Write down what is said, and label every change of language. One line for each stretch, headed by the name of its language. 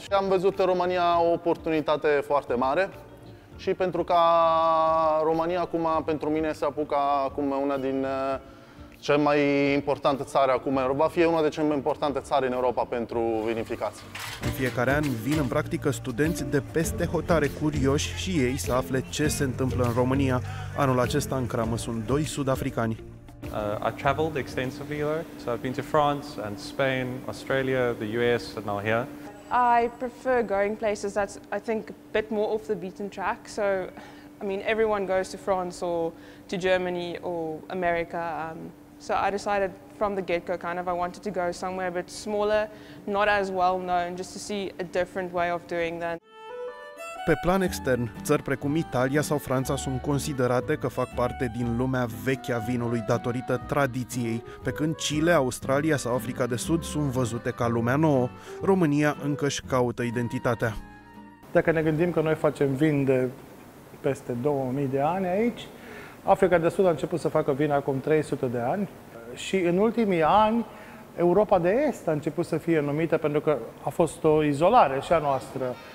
Romanian: Și am văzut în România o oportunitate foarte mare. Și pentru că România acum pentru mine se apucă acum una din cel mai importante țară acum, va fi una de cele mai importante țări în Europa pentru vinificație. În fiecare an vin în practică studenți de peste hotare curioși și ei să afle ce se întâmplă în România. Anul acesta în cramă sunt doi sud-africani.
English: I've traveled extensively though, so I've been to France and Spain, Australia, the US and now here. I prefer going places that's, I think, a bit more off the beaten track, so I mean, everyone goes to France or to Germany or America. So I decided from the get-go, kind of, I wanted to go somewhere a bit smaller, not as well known, just to see a different way of doing that.
Romanian: Pe plan extern, țări precum Italia sau Franța sunt considerate că fac parte din lumea veche a vinului datorită tradiției, pe când Chile, Australia sau Africa de Sud sunt văzute ca lumea nouă. România încă își caută identitatea. Dacă ne gândim că noi facem vin de peste 2000 de ani aici, Africa de Sud a început să facă vin acum 300 de ani și în ultimii ani Europa de Est a început să fie numită pentru că a fost o izolare și a noastră.